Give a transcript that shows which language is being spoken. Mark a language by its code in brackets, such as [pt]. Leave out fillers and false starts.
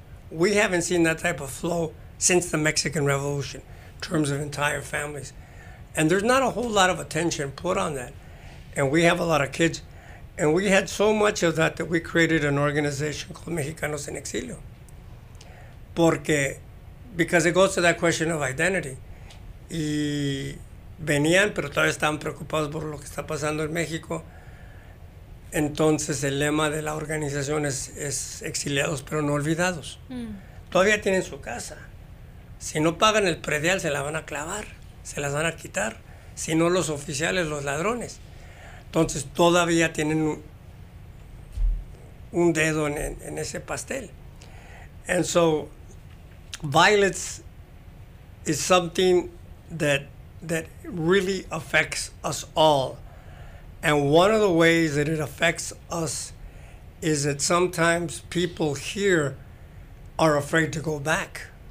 [en] We haven't seen that type of flow since the Mexican Revolution, in terms of entire families. And there's not a whole lot of attention put on that. And we have a lot of kids. And we had so much of that we created an organization called Mexicanos en Exilio. Because it goes to that question of identity. [es] Y venían, pero todavía estaban preocupados por lo que está pasando en México. Entonces, el lema de la organización es exiliados, pero no olvidados. Todavía tienen su casa. Si no pagan el predial, se la van a clavar, se las van a quitar. Si no, los oficiales, los ladrones. Entonces, todavía tienen un dedo en ese pastel. [en] And so, violence is something that really affects us all. And one of the ways that it affects us is that sometimes people here are afraid to go back.